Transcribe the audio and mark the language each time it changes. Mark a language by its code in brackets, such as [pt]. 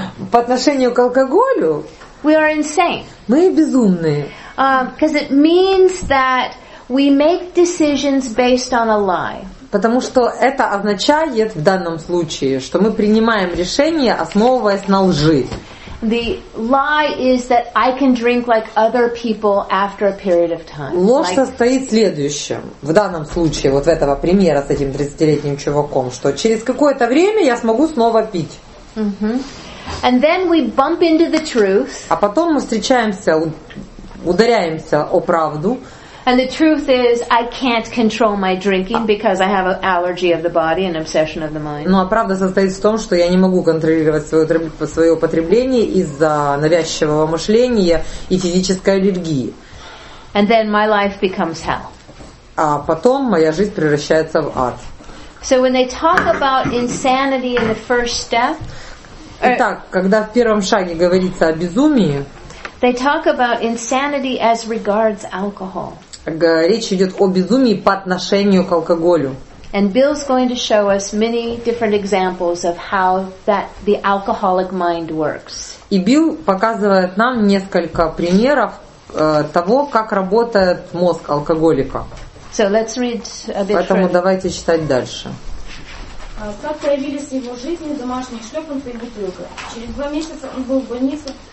[ru] По отношению к алкоголю. [en] We are insane. [ru] Мы безумные. [en] Because it means that we make decisions based on a lie. [ru] Потому что это означает в данном случае, что мы принимаем решение, основываясь на лжи. [en] The lie is that I can drink like other people after a period of time. [ru] Ложь состоит в следующем. В данном случае, вот в этого примера с этим 30-летним чуваком, что через какое-то время я смогу снова пить. [en] Mm-hmm. And then we bump into the truth. [ru] А потом мы встречаемся, ударяемся о правду. [en] And the truth is, I can't control my drinking because I have an allergy of the body and obsession of the mind. [ru] Ну, а правда состоит в том, что я не могу контролировать свое употребление из-за навязчивого мышления и физической аллергии. [en] And then my life becomes hell. [ru] А потом моя жизнь превращается в ад. [en] So when they talk about insanity in the first step, [ru] итак, когда в первом шаге говорится о безумии. [en] They talk about insanity as regards alcohol. [ru] Речь идет о безумии по отношению к алкоголю. [en] And Bill's going to show us many different examples of how that the alcoholic mind works. [ru] И Билл показывает нам несколько примеров того, как работает мозг алкоголика. [en] So let's read a bit. [ru] Поэтому давайте читать дальше. Как появились в его жизни домашние шлепанцы и бутылка? Через два месяца он был в больнице.